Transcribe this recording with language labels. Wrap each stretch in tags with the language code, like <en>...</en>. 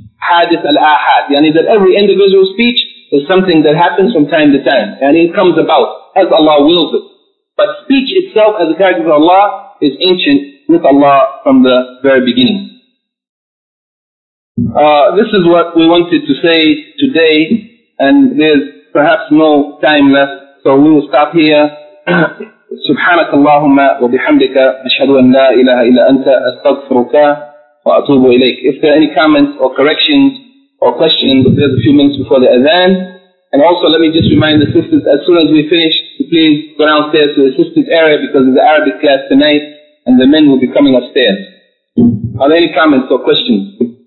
<ar>حَادِثْ الْآحَادِ</ar> <en>Yani that every individual speech is something that happens from time to time, and it comes about as Allah wills it. But speech itself as a character of Allah is ancient with Allah from the very beginning. This is what we wanted to say today, and there's perhaps no time left, so we will stop here.</en> <ar>سبحانك اللهم وبحمدك أشهد أن لا إله إلا أنت أستغفرك وأتوب إليك.</ar> <en>If there are any comments or corrections or questions, there's a few minutes before the Adhan. And also let me just remind the sisters, as soon as we finish, please go downstairs to the sisters area because of the Arabic class tonight and the men will be coming upstairs. Are there any comments or questions?</en>